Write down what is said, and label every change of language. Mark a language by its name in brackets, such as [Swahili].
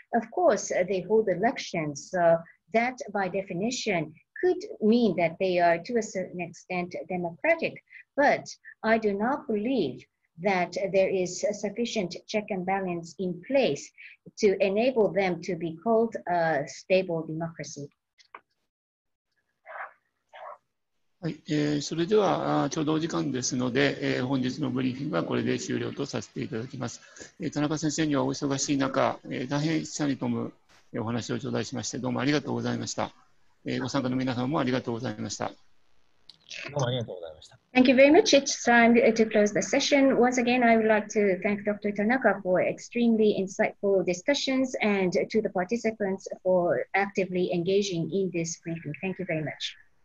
[English] Of course, they hold elections, so that by definition could mean that they are to a certain extent democratic. But I do not believeThat there is a sufficient check and balance in place to enable them to be called a stable democracy. [Japanese] はい、それではちょうどお時間ですので、本日のブリーフィングはこれで終了とさせていただきます。田中先生にはお忙しい中、大変質疑に富むお話を頂戴しまして、どうもありがとうございました。ご参加の皆さんもありがとうございました。 [English] Thank you very much. It's time to close the session. Once again, I would like to thank Dr. Tanaka for extremely insightful discussions and to the participants for actively engaging in this briefing. Thank you very much.